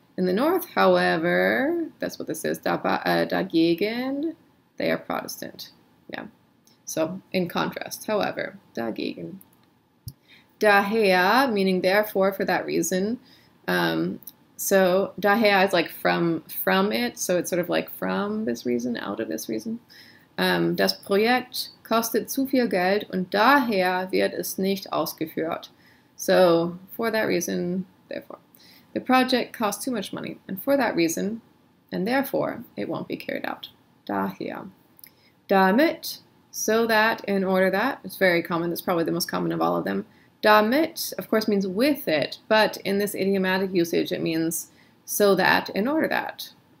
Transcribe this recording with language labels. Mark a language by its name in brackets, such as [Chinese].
[English] In the North, however, that's what this is, dagegen, they are Protestant. Yeah. So in contrast, however, dagegen. Daher, meaning therefore, for that reason. So daher is like from it. So it's sort of like from this reason, out of this reason. [German] Das Projekt kostet zu viel Geld und daher wird es nicht ausgeführt. [English] So for that reason, therefore. The project costs too much money, and for that reason, and therefore, it won't be carried out. Daher. Damit, so that, in order that, it's very common, it's probably the most common of all of them. Damit, of course, means with it, but in this idiomatic usage, it means so that, in order that.